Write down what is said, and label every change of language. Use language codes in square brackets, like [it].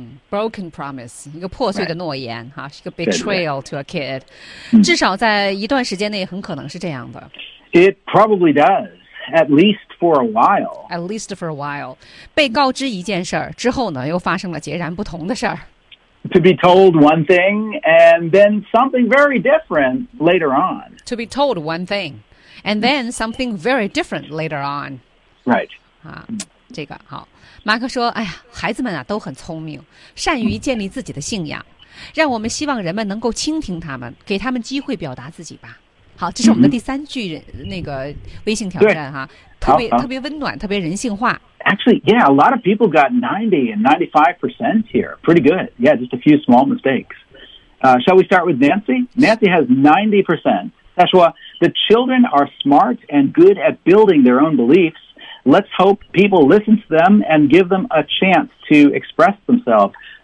[en] Broken promise, [zh] 一个破碎的诺言、 [en] right. [zh] 哈，是一个 betrayal 对对 [en] to a kid.、 [zh] 至少在一段时间内，很可能是这样的。 [en] It probably does. At least for a while. At least for a while. [zh] 被告知一件事儿之后呢，又发生了截然不同的事儿。 [en] To be told one thing and then something very different later on. To be told one thing and then something very different later on. Right. [zh] 啊，这个好。马克说：“哎呀，孩子们啊都很聪明，善于建立自己的信仰，让我们希望人们能够倾听他们，给他们机会表达自己吧。” 好，这是我们的第三句、那个微信挑战哈，特别温暖，特别人性化。 [en] Actually, yeah, a lot of people got 90% and 95% here. Pretty good. Yeah, just a few small mistakes. Shall we start with Nancy? Nancy has 90%. [zh] 她说 [en] ，The children are smart and good at building their own beliefs. Let's hope people listen to them and give them a chance to express themselves.